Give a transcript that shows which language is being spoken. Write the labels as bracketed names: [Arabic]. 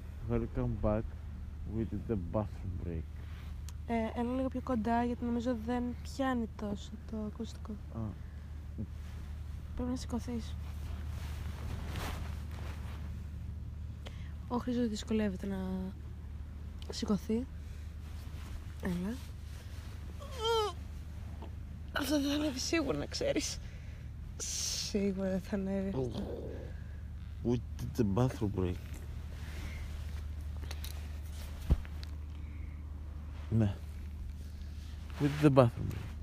[English] Welcome back with the bathroom break. [Greek] Έλα λίγο πιο κοντά γιατί νομίζω δεν πιάνει τόσο το ακουστικό. Α. Πρέπει να σηκωθείς. Ο Χρήστος δυσκολεύεται να σηκωθεί. Έλα. Αυτό θα είναι σίγουρα να ξέρεις. Σίγουρα δεν θα ανέβει αυτό. [English] We did the bathroom break. Ναι. We did the bathroom break.